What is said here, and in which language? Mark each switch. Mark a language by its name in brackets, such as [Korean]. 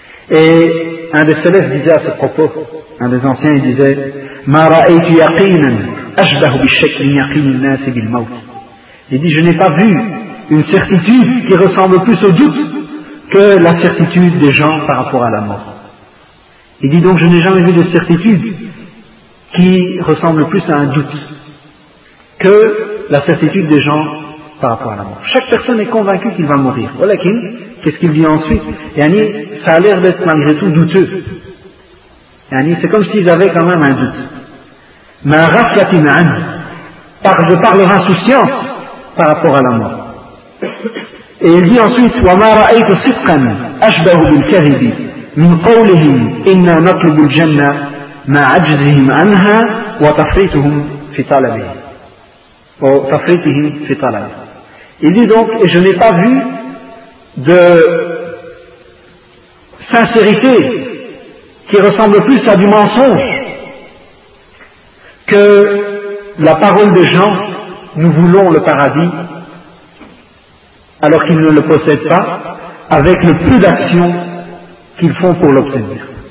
[French] Et un des célèbres disait à ce propos, un des anciens, il disait « [Arabic] Ma ra'aytu yaqinan ashbahu bishakli yaqinin nasi bil maut [French] » Il dit « Je n'ai pas vu une certitude qui ressemble plus au doute que la certitude des gens par rapport à la mort. » Il dit donc « Je n'ai jamais vu de certitude qui ressemble plus à un doute que la certitude des gens par rapport à la mort. » Chaque personne est convaincue qu'il va mourir. Voilà qui, qu'est-ce qu'il dit ensuite ? Yani, ça a l'air d'être malgré tout douteux. Yani, c'est comme s'ils avaient quand même un doute. « [Arabic] Ma rafiatim an [French] » de par leur insouciance par rapport à la mort. Et il dit ensuite [Arabic] « Wa ma ra'aytu sidqan ashbahu bil karibi » من قولهم إنا نطلب الجنة مع عجزهم عنها وتفريطهم في طلبها وتفريطهم في طلبها. [French] Il dit donc, et je n'ai pas vu de sincérité qui ressemble plus à du mensonge que la parole des gens, nous voulons le paradis alors qu'ils ne le possèdent pas, avec le peu d'action qu'ils font pour l'obtenir.